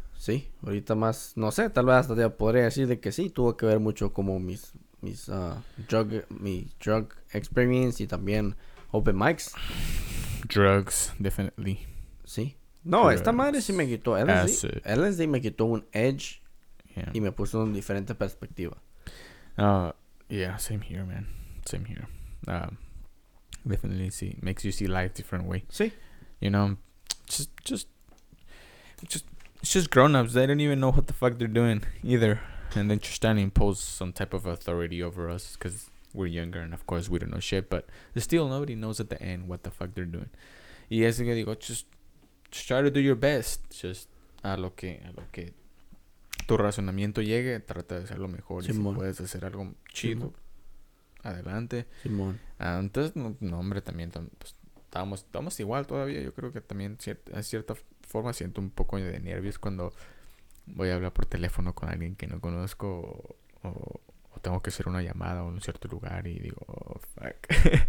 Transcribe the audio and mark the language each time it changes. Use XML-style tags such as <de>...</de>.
<es>Sí, ahorita más, no sé, tal vez hasta podría decir de que sí, tuvo que ver mucho como mi drug experience y también open mics.</es> <en>Drugs, definitely.</en> <es>Sí. No, drugs. Esta madre sí me quitó LSD me quitó un edge y me puso en diferente perspectiva.</es> <en>Yeah, same here, man. Same here. Definitely see makes you see life different way. Sí. You know, it's just grown-ups. They don't even know what the fuck they're doing either. And then just trying to impose some type of authority over us because we're younger and, of course, we don't know shit. But still, nobody knows at the end what the fuck they're doing.</en> <es>Y es que digo,</es> <en>just try to do your best.</en> <es>Just a lo que tu razonamiento llegue, trata de hacer lo mejor. Simón. Y si puedes hacer algo chido, Simón. Adelante. Simón. Entonces, no, hombre, también pues, estamos igual todavía. Yo creo que también a cierta forma siento un poco de nervios cuando voy a hablar por teléfono con alguien que no conozco o tengo que hacer una llamada a un cierto lugar y digo, oh, fuck.</es>